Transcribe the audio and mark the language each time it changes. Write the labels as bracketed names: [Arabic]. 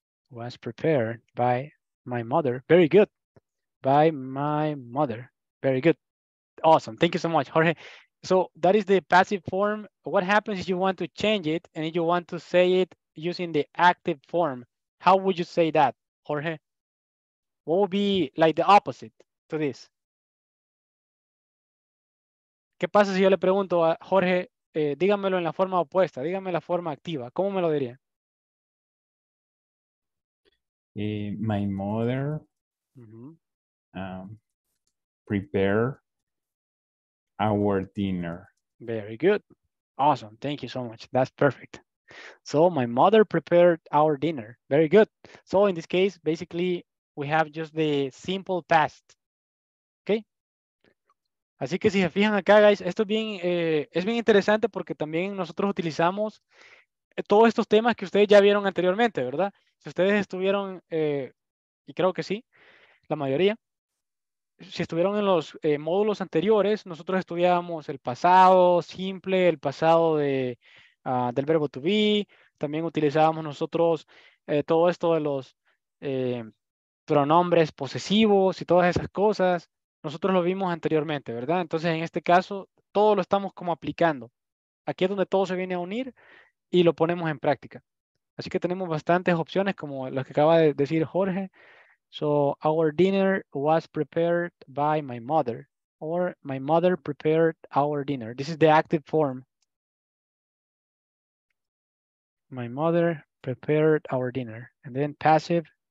[English] Was prepared by my mother. Very good. By my mother. Very good. Awesome. Thank you so much, Jorge. So that is the passive form. What happens if you want to change it and if you want to say it using the active form? How would you say that, Jorge? What would be like the opposite to this? [Spanish] ¿Qué pasa si yo le pregunto a Jorge, dígamelo en la forma opuesta, dígame la forma activa? ¿Cómo me lo diría? [English] My mother prepare our dinner. Very good. Awesome. Thank you so much. That's perfect. So my mother prepared our dinner. Very good. So in this case, basically, we have just the simple past. Okay. [Spanish] Así que si se fijan acá, guys, esto es bien interesante porque también nosotros utilizamos todos estos temas que ustedes ya vieron anteriormente, ¿verdad? Si ustedes estuvieron, y creo que sí, la mayoría, si estuvieron en los módulos anteriores, nosotros estudiábamos el pasado simple, el pasado del verbo to be, también utilizábamos nosotros todo esto de los pronombres posesivos y todas esas cosas. Nosotros lo vimos anteriormente, ¿verdad? Entonces, en este caso, todo lo estamos como aplicando. Aquí es donde todo se viene a unir y lo ponemos en práctica. Así que tenemos bastantes opciones, como las que acaba de decir Jorge. [English] So, our dinner was prepared by my mother. Or, my mother prepared our dinner. This is the active form. My mother prepared our dinner. And then passive.